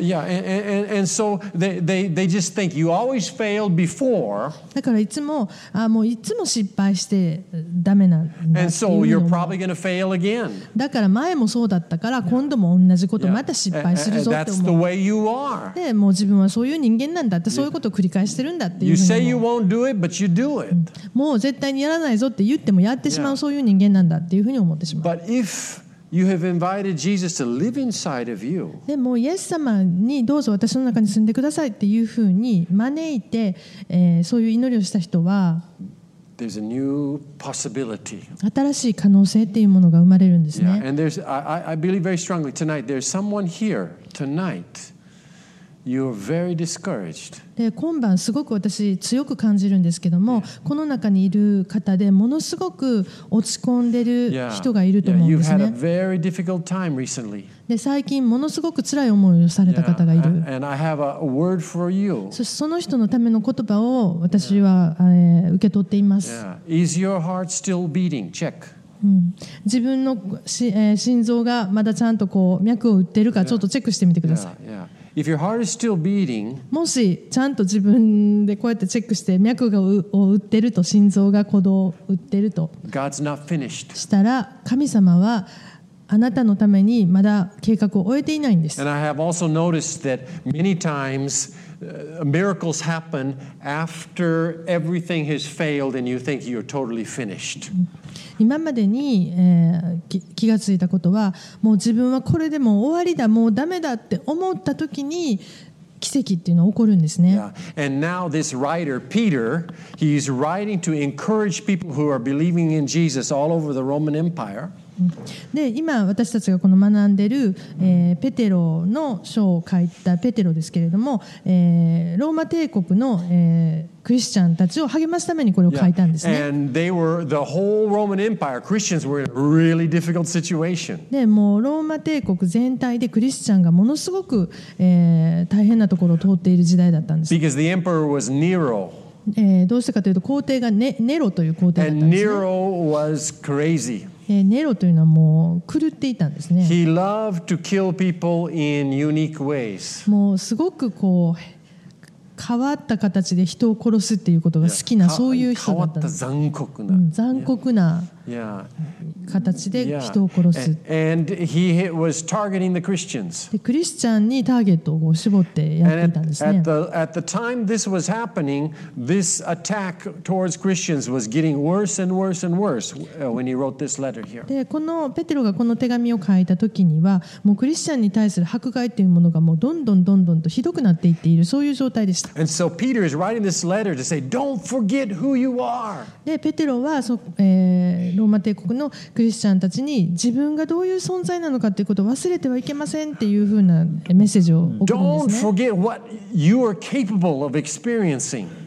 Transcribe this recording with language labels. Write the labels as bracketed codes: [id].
[en] Yeah, and so they just think you always failed before. [ja] だからいつも、もういつも失敗してダメなんだっていうの。 [en] And so you're probably going to fail again. [ja] だから前もそうだったから今度も同じことまた失敗するぞって思う。 [en] That's the way you are. [ja] で、もう自分はそういう人間なんだってそういうことを繰り返してるんだっていうふうに。 [en] You say you won't do it, but you do it. [ja] もう絶対にやらないぞって言ってもやってしまうそういう人間なんだっていうふうに思ってしまう。 [en] But ifYou have invited Jesus to live inside of you. [ja] でもイエス様にどうぞ私の中に住んでくださいっていうふうに招いて、そういう祈りをした人は [en] There's a new possibility. [ja] 新しい可能性っていうものが生まれるんですね。 [en] Yeah. And there's, I believe very strongly tonight, there's someone here tonight. You're very discouraged. [ja] で今晩すごく私強く感じるんですけども、yeah. この中にいる方でものすごく落ち込んでる人がいると思うんですね。 [en] Yeah. Yeah. You've had a very difficult time recently. [ja] で最近ものすごく辛い思いをされた方がいる。 [en] Yeah. And I have a word for you. [ja] そしてその人のための言葉を私は、yeah. 受け取っています。 [en] Yeah. Is your heart still beating? Check. [ja] 自分の、心臓がまだちゃんとこう脈を打ってるかちょっとチェックしてみてください。 [en] Yeah. Yeah. Yeah. If your heart is still beating, [ja] もしちゃんと自分でこうやってチェックして脈がを打ってると心臓が鼓動を打ってると [en] God's not finished. [ja] したら神様はあなたのためにまだ計画を終えていないんです。 [en] And I have also noticed that many times, miracles happen after everything has failed and you think you're totally finished. [ja] 今までに、気がついたことはもう自分はこれでもう終わりだもうダメだって思った時に奇跡っていうのが起こるんですね。 [en] Yeah. And now this writer, Peter, he's writing to encourage people who are believing in Jesus all over the Roman Empire. [ja] で今私たちがこの学んでる、ペテロの書を書いたペテロですけれども、ローマ帝国の、クリスチャンたちを励ますためにこれを書いたんですね。 [en] Yeah. And they were the whole Roman Empire. Christians were in a really difficult situation. [ja] でもうローマ帝国全体でクリスチャンがものすごく、大変なところを通っている時代だったんです。 [en] Because the emperor was Nero. [ja] どうしてかというと皇帝が ネロという皇帝だったんですね。 [en] And Nero was crazy. [ja] ネロというのはもう狂っていたんですね。 [en] He loved to kill people in unique ways. [ja] もうすごくこう変わった形で人を殺すっていうことが好きなそういう人だったんです。変わった残酷な、残酷な形で人を殺す。 [en] And he was targeting the Christians. [ja] でクリスチャンにターゲットを絞ってやっていたんですね。 [en] At the time this was happening, this attack towards Christians was getting worse and worse and worse when he wrote this letter here. [ja] でこのペテロがこの手紙を書いた時には、もうクリスチャンに対する迫害というものがもうどんどんどんどんとひどくなっていっているそういう状態です。 [en] And so Peter is writing this letter to say, "Don't forget who you are." [ja] で、ペテロは、ローマ帝国のクリスチャンたちに自分がどういう存在なのかということを忘れてはいけませんっていうふうなメッセージを送るんですね。 [en] Don't forget what you are capable of experiencing.